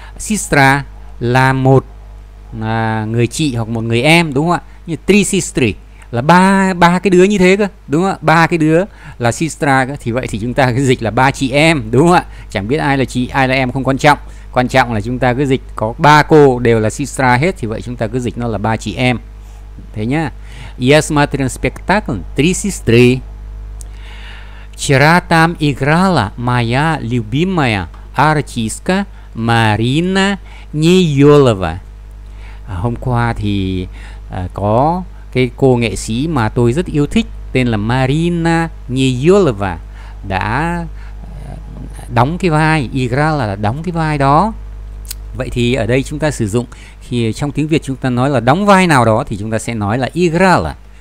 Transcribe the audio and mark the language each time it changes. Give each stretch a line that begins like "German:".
Vietnamese: Sistra là một người chị hoặc một người em, đúng không ạ? Như
Russian: три сестры
Vietnamese: là ba cái đứa như thế cơ, đúng không ạ? Ba cái đứa là sistra cơ. Thì vậy thì chúng ta cứ dịch là ba chị em, đúng không ạ? Chẳng biết ai là chị, ai là em không quan trọng. Quan trọng là chúng ta cứ dịch có ba cô đều là sistra hết, thì vậy chúng ta cứ dịch nó là ba chị em. Thế nhá.
Russian: Я смотрел спектакль три сестры. Вчера там играла моя любимая артистка Марина Неёлова.
Vietnamese: Hôm qua thì có cái cô nghệ sĩ mà tôi rất yêu thích tên là Марина Неёлова đã đóng cái vai, игра là đóng cái vai đó. Vậy thì ở đây chúng ta sử dụng khi trong tiếng Việt chúng ta nói là đóng vai nào đó thì chúng ta sẽ nói là игра.